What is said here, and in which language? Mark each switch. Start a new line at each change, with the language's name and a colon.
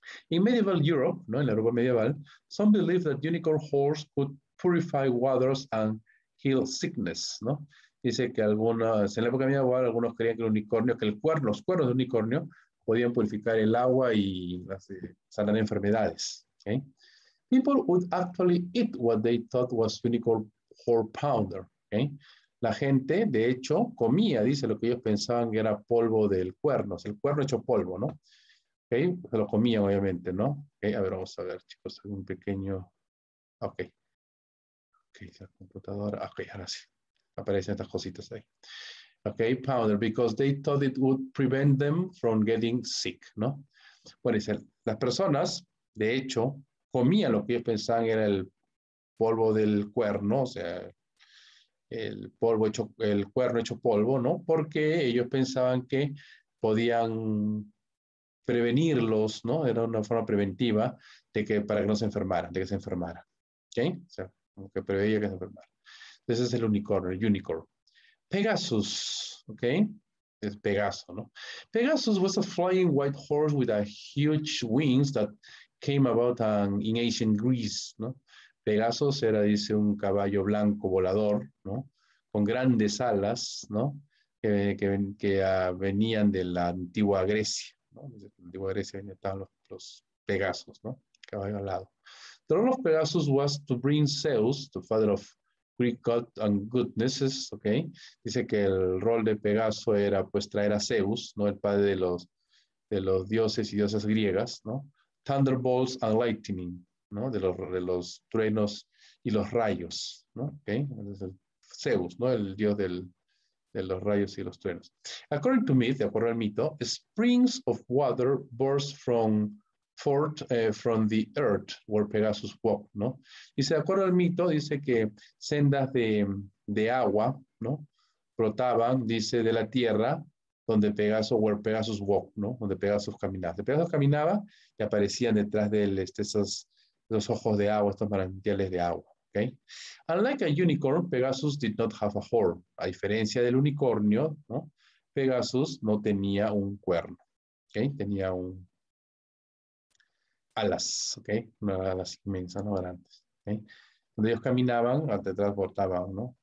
English: In medieval Europe, ¿no?
Spanish: En la Europa medieval,
English: some believe that unicorn horse could purify waters and heal sickness, ¿no?
Spanish: Dice que algunos, en la época medieval, algunos creían que el unicornio, que el cuerno, los cuernos de unicornio, podían purificar el agua y sanar enfermedades, ¿okay?
English: People would actually eat what they thought was unicorn horn powder. ¿Okay?
Spanish: La gente, de hecho, comía, dice, lo que ellos pensaban que era polvo del cuerno. Es el cuerno hecho polvo, ¿no? ¿Okay? Se lo comían, obviamente, ¿no? ¿Okay? A ver, vamos a ver, chicos, un pequeño... Ok. Ok, la computadora. Ok, ahora sí. Aparecen estas cositas ahí.
English: Ok, powder, because they thought it would prevent them from getting sick, ¿no?
Spanish: Bueno, dice, las personas, de hecho... comían lo que ellos pensaban era el polvo del cuerno, o sea, el cuerno hecho polvo, ¿no? Porque ellos pensaban que podían prevenirlos, ¿no? Era una forma preventiva de que, para que no se enfermaran, de que se enfermara. ¿Ok? O sea, como que preveía que se enfermara. Entonces es el unicorn. Pegasus, ¿ok? Es Pegaso, ¿no?
English: Pegasus was a flying white horse with a huge wings that came about in ancient Greece, ¿no?
Spanish: Pegasus era, dice, un caballo blanco volador, ¿no? Con grandes alas, ¿no? Que venían de la antigua Grecia, ¿no? Desde la antigua Grecia estaban los Pegasus, ¿no? Caballo alado.
English: The role of Pegasus was to bring Zeus, the father of Greek god and goodnesses, ¿ok?
Spanish: Dice que el rol de Pegaso era, pues, traer a Zeus, ¿no? El padre de los dioses y diosas griegas, ¿no?
English: Thunderbolts and lightning,
Spanish: ¿no? De los truenos y los rayos, ¿no? Okay, entonces el Zeus, ¿no? El dios de los rayos y los truenos.
English: According to myth,
Spanish: de acuerdo al mito,
English: springs of water burst from the earth where Pegasus walked, ¿no?
Spanish: Y de acuerdo al mito, dice que sendas de agua, ¿no? Brotaban, dice, de la tierra. Donde Pegasus,
English: where Pegasus walk,
Spanish: ¿no? Donde Pegasus caminaba. Donde Pegasus caminaba y aparecían detrás de él esos ojos de agua, estos manantiales de agua, ¿ok?
English: Unlike a unicorn, Pegasus did not have a horn.
Spanish: A diferencia del unicornio, ¿no? Pegasus no tenía un cuerno, ¿ok? Tenía un alas, ¿ok? Una alas inmensa, no grandes, ¿ok? Donde ellos caminaban, detrás portaban, ¿no?